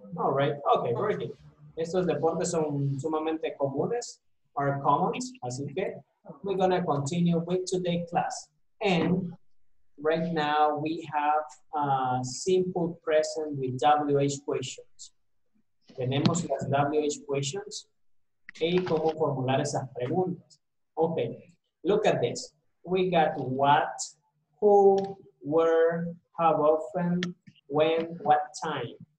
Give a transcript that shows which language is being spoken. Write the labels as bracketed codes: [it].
[en] All right. Okay, very good. [es] Estos deportes son sumamente comunes, [en] are common. [es] Así que, [en] we're going to continue with today's class. And right now, we have a simple present with WH questions. [es] Tenemos las WH questions y cómo formular esas preguntas. [en] Okay, look at this. We got what, who, where, how often, when, what time.